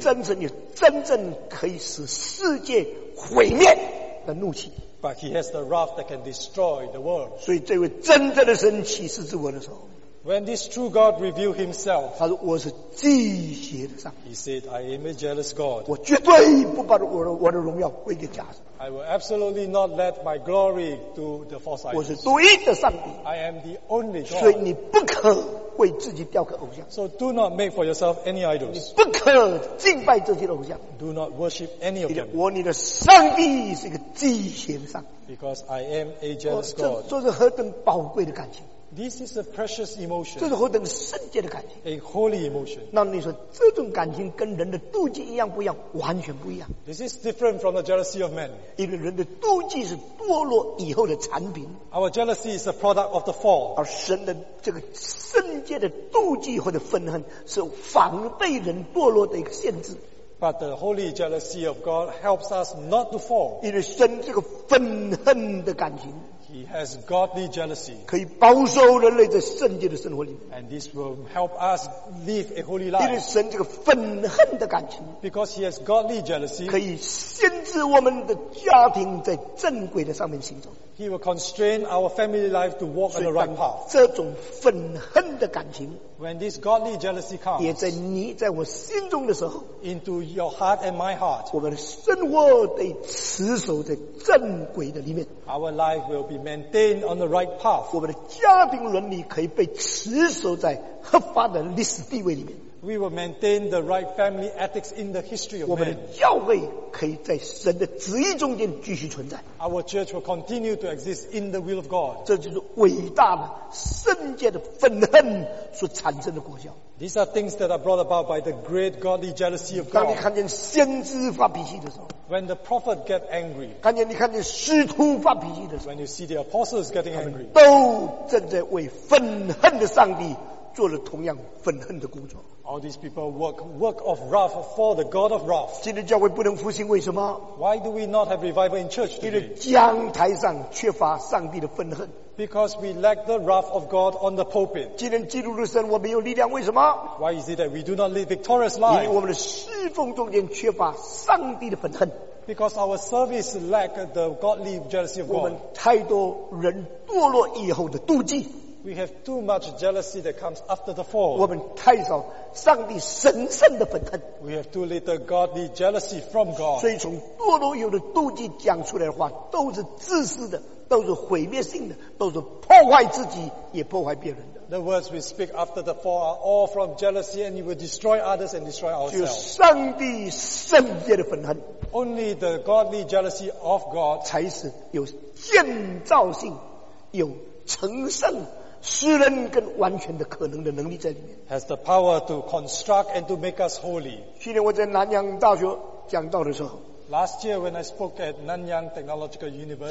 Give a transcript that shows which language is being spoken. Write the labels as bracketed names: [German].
[Chinese] 真神有真正可以使世界毁灭的怒气。 [English] But he has the wrath that can destroy the world. [Chinese] 所以这位真正的神启示自我的时候。 [English] When this true God revealed himself, [Chinese] 他说我是忌邪的上帝。 [English] He said, I am a jealous God. [Chinese] 我绝对不把我的荣耀归给假神。 [English] I will absolutely not let my glory to the false idols. [Chinese] 我是独一的上帝。 [English] I am the only God. [Chinese] 所以你不可为自己雕刻偶像。 [English] So do not make for yourself any idols. [Chinese] 你不可敬拜这些偶像。 [English] Do not worship any of them. [Chinese] 我你的上帝是一个忌邪的上帝。 [English] Because I am a jealous God. [Chinese] 这是何等宝贵的感情。 [English] This is a precious emotion. [Chinese] 这是何等圣洁的感情。 [English] A holy emotion. [Chinese] 那你说这种感情跟人的妒忌一样不一样？完全不一样。 [English] This is different from the jealousy of men. [Chinese] 因为人的妒忌是堕落以后的产品。 [English] Our jealousy is a product of the fall. [Chinese] 而神的这个圣洁的妒忌或者愤恨是防备人堕落的一个限制。 [English] But the holy jealousy of God helps us not to fall. [Chinese] 因为神这个愤恨的感情。 [English] He has godly jealousy. [Chinese] 可以保守人类在圣洁的生活里。 [English] And this will help us live a holy life. [Chinese] 因为神这个愤恨的感情。 [English] Because he has godly jealousy. [Chinese] 可以限制我们的家庭在正轨的上面行走。 [English] He will constrain our family life to walk on the right path. [Chinese] 这种愤恨的感情。 [English] When this godly jealousy comes. [Chinese] 也在你在我心中的时候。 [English] Into your heart and my heart. [Chinese] 我们的生活得持守在正轨的里面。 [English] Our life will be maintained on the right path. [Chinese] 我们的家庭伦理可以被持守在合法的历史地位里面。 [English] We will maintain the right family ethics in the history of man. [Chinese] 我们的教会可以在神的旨意中间继续存在。 [English] Our church will continue to exist in the will of God. [Chinese] 这就是伟大的圣洁的愤恨所产生的果效。 [English] These are things that are brought about by the great godly jealousy of God. [Chinese] 当你看见先知发脾气的时候。 [English] When the prophet get angry. [Chinese] 看见你看见使徒发脾气的时候。 [English] When you see the apostles getting angry. [Chinese] 都正在为愤恨的上帝做了同样愤恨的工作。 [English] All these people work of wrath for the God of wrath. [Chinese] 今天教会不能复兴，为什么？ [English] Why do we not have revival in church today? [Chinese] 因为讲台上缺乏上帝的愤恨。 [English] Because we lack the wrath of God on the pulpit. [Chinese] 今天基督的身我没有力量，为什么？ [English] Why is it that we do not live victorious life? [Chinese] 因为我们的侍奉中间缺乏上帝的愤恨。 [English] Because our service lack the godly jealousy of God. [Chinese] 我们太多人堕落以后的妒忌。 [English] We have too much jealousy that comes after the fall. [Chinese] 我们太少上帝神圣的愤恨。 [English] We have too little godly jealousy from God. [Chinese] 所以从堕落有的妒忌讲出来的话，都是自私的，都是毁灭性的，都是破坏自己，也破坏别人的。 [English] The words we speak after the fall are all from jealousy, and it will destroy others and destroy ourselves. [Chinese] 只有上帝圣洁的愤恨。 [English] Only the godly jealousy of God [Chinese] 才是有建造性，有成圣。诗人跟完全的可能的能力在里面。 [English] Has the power to construct and to make us holy. [Chinese] 去年我在南洋大学讲道的时候。 [English] Last year when I spoke at Nanyang Technological University.